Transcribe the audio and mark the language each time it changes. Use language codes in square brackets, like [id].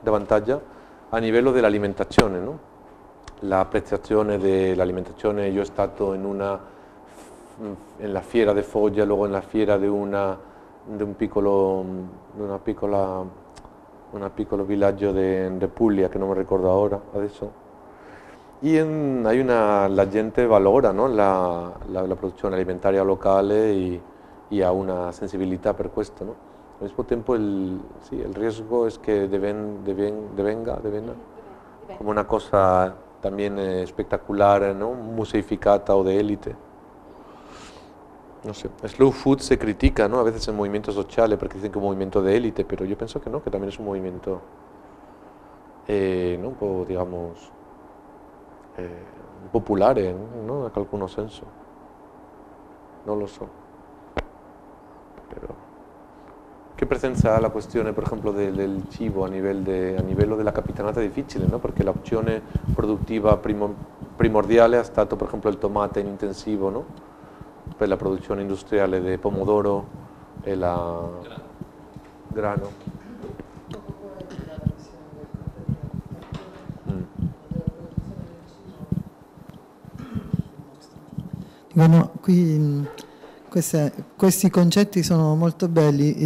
[it] De vantaggio a livello dell'alimentazione, no? L'apprezzazione dell'alimentazione, io ho stato in una nella fiera di Foggia, [es] luego [it] nella fiera di una un piccolo villaggio di Puglia che non mi ricordo ora, adesso. E la gente valora, no? La produzione alimentare locale e ha una sensibilità per questo, no? [es] Al mismo tiempo el riesgo es que devenga como una cosa también espectacular, ¿no? Museificada o de élite. No sé, Slow Food se critica, ¿no? A veces en movimientos sociales porque dicen que es un movimiento de élite, pero yo pienso que no, que también es un movimiento, ¿no? Un poco, digamos, popular, ¿no? En algún senso. No lo so. Pero... ¿Qué presencia ha la cuestión, por ejemplo, del cibo a nivel de la capitanata? [it] Difficile, [es] ¿no? Porque la opción productiva primordial ha stato, por ejemplo, el tomate en intensivo, ¿no? [it] Per la produzione industriale di pomodoro e la grano. Diciamo, qui questi concetti sono molto belli.